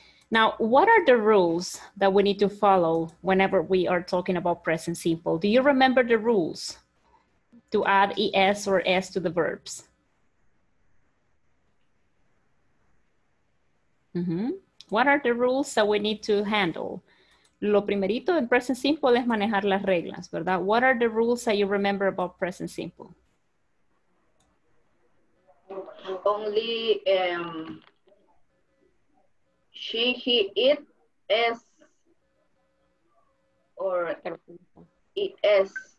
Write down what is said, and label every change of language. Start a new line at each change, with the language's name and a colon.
English: Now, what are the rules that we need to follow whenever we are talking about present simple? Do you remember the rules to add ES or S to the verbs? Mm-hmm. What are the rules that we need to handle?
Spanish: Lo primerito en present simple es manejar las reglas, ¿verdad?
English: What are the rules that you remember about present simple? only she, he, it, s, or it s.